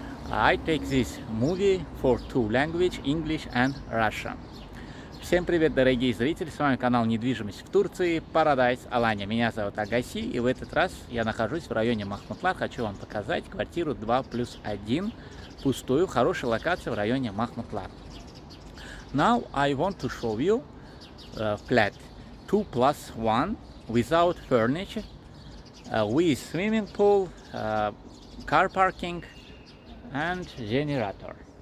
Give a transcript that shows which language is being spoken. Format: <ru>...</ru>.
<en>I take this movie for two languages, English and Russian.</en> <ru>Всем привет, дорогие зрители! С вами канал «Недвижимость в Турции», Paradise, Алания. Меня зовут Агаси, и в этот раз я нахожусь в районе Махмутлар. Хочу вам показать квартиру 2 плюс 1, пустую, хорошую локацию в районе Махмутлар.</ru> <en>Now I want to show you flat 2 plus 1 without furniture, with swimming pool, car parking and generator.</en>